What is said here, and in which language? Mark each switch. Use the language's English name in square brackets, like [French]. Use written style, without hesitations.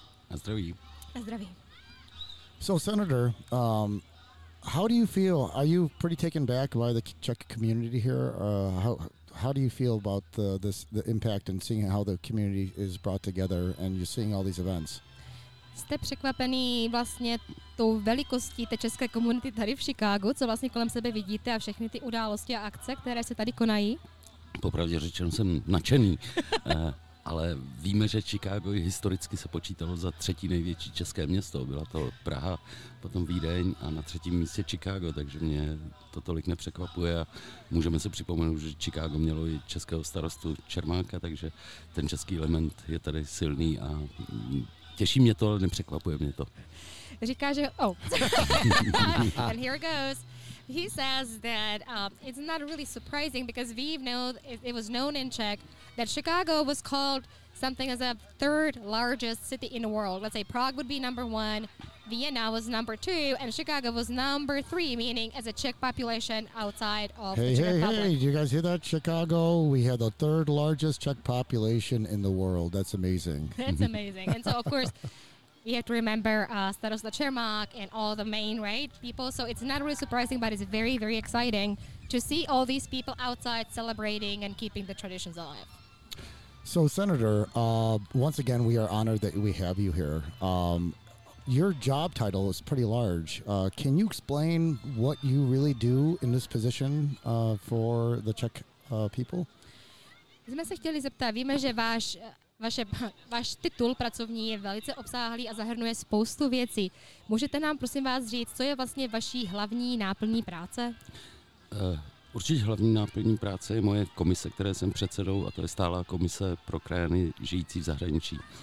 [Czech] Na zdraví. Na zdraví. [English] So, Senator, how do you feel? Are you pretty taken back by the Czech community here? How do you feel about the impact and seeing how the community is brought together and you're seeing all these events? [Czech] Jste překvapený vlastně tou velikostí té české komunity tady v Chicagu, co vlastně kolem sebe vidíte a všechny ty události a akce, které se tady konají? Popravdě řečeno jsem nadšený, ale víme, že Chicago historicky se počítalo za třetí největší české město. Byla to Praha, potom Vídeň a na třetím místě Chicago, takže mě to tolik nepřekvapuje. A můžeme si připomenout, že Chicago mělo i českého starostu Čermáka, takže ten český element je tady silný a těší mě to, ale nepřekvapuje mě to. Říká, že... [English] And here it goes. He says that it's not really surprising because we've known, it was known in Czech that Chicago was called something as a third largest city in the world. Let's say Prague would be number one, Vienna was number two, and Chicago was number three, meaning as a Czech population outside of the Czech Republic. Hey, did you guys hear that? Chicago, we had the third largest Czech population in the world. That's amazing. That's amazing. And so, of course, we have to remember Starosta Čermák and all the main right people. So it's not really surprising, but it's very, very exciting to see all these people outside celebrating and keeping the traditions alive. So, Senator, once again, we are honored that we have you here. Your job title is pretty large. Can you explain what you really do in this position for the Czech people? [Czech] Jsme se chtěli zeptat, víme, že váš titul pracovní je velice obsáhlý a zahrnuje spoustu věcí. Můžete nám prosím vás říct, co je vlastně vaší hlavní náplní práce? Určitě hlavní náplní práce je moje komise, které jsem předsedou, a to je stálá komise pro krajany žijící v zahraničí.